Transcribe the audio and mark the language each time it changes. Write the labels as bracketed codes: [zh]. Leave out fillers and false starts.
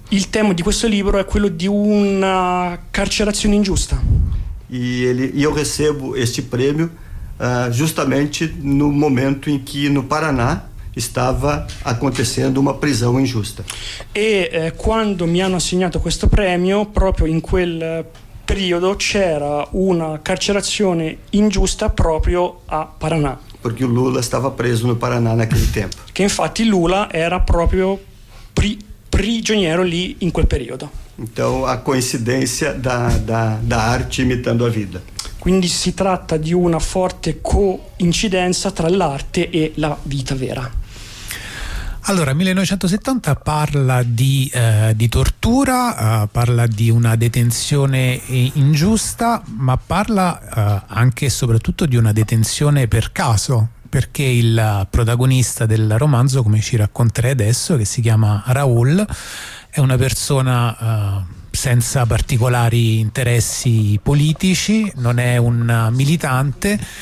[it] Il tema di questo libro è quello di una carcerazione ingiusta. [pt] E eu recebo este prêmio justamente no momento em que no Paraná estava acontecendo uma prisão injusta. [it] E quando mi hanno assegnato questo premio, proprio in quel periodo c'era una carcerazione ingiusta proprio a Paraná. [pt] Porque o Lula estava preso no Paraná naquele tempo. [it] Que, infatti, Lula era proprio prigioniero lì in quel periodo. [pt] Então, a coincidência da arte imitando a vida. [it] Quindi si tratta di una forte coincidenza tra l'arte e la vita vera. Allora, 1970 parla di tortura, parla di una detenzione ingiusta, ma parla anche e soprattutto di una detenzione per caso, perché il protagonista del romanzo, come ci racconterai adesso, che si chiama Raul, è una persona senza particolari interessi politici, non è un militante.